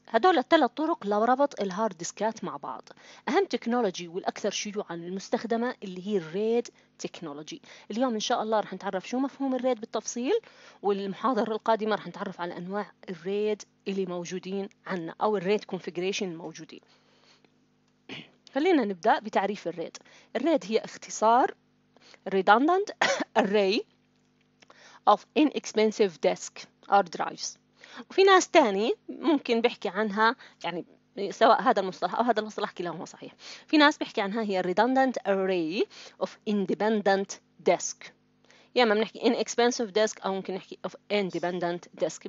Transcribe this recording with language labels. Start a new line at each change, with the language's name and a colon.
Arabic: هدول الثلاث طرق لربط الهارد ديسكات مع بعض. أهم تكنولوجي والأكثر شيوعا المستخدمة اللي هي الريد تكنولوجي. اليوم إن شاء الله رح نتعرف شو مفهوم الريد بالتفصيل، والمحاضرة القادمة رح نتعرف على أنواع الريد اللي موجودين عنا أو الريد كونفيجريشن الموجودين. خلينا نبدأ بتعريف الريد. الريد هي اختصار
English: redundant array of inexpensive disk or drives.
Arabic: وفي ناس تاني ممكن بحكي عنها، يعني سواء هذا المصطلح أو هذا المصطلح كلاهما صحيح. في ناس بحكي عنها هي
English: redundant array of independent disk.
Arabic: يا ما بنحكي
English: inexpensive disk
Arabic: أو ممكن نحكي
English: of independent disk.